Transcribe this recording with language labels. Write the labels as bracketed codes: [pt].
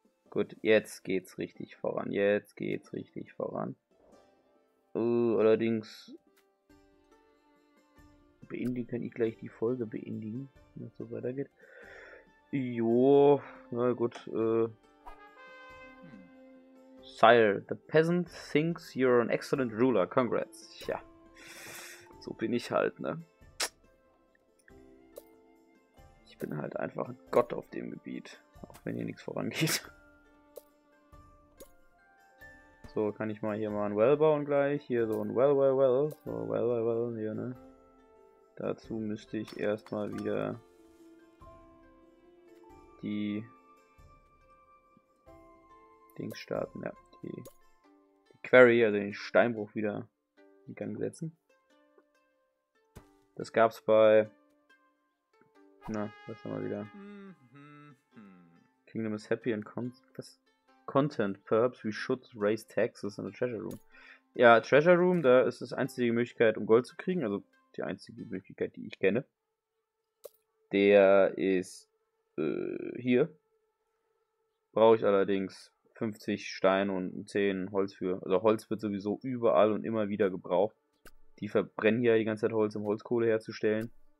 [de] Gut, jetzt geht's richtig voran. Jetzt geht's richtig voran. Allerdings beendigen kann ich gleich die Folge beendigen, wenn es so weitergeht. Jo, na gut. [en] Sire, the peasant thinks you're an excellent ruler. Congrats. [de] Tja, so bin ich halt, ne? Ich bin halt einfach ein Gott auf dem Gebiet. Auch wenn hier nichts vorangeht. So, kann ich mal hier mal ein Well bauen gleich. Hier so ein Well. So, Well, hier, ne? Dazu müsste ich erstmal wieder die Dings starten, ja, die Quarry, also den Steinbruch wieder in Gang setzen. Das gab's bei, na, was haben wir wieder? [en] Kingdom is happy and content, perhaps we should raise taxes in the treasure room. [de] Ja, treasure room, da ist das einzige Möglichkeit, um Gold zu kriegen, also die einzige Möglichkeit, die ich kenne. Der ist hier. Brauche ich allerdings 50 Steine und 10 Holz für. Also Holz wird sowieso überall und immer wieder gebraucht. Die verbrennen hier die ganze Zeit Holz, um Holzkohle herzustellen.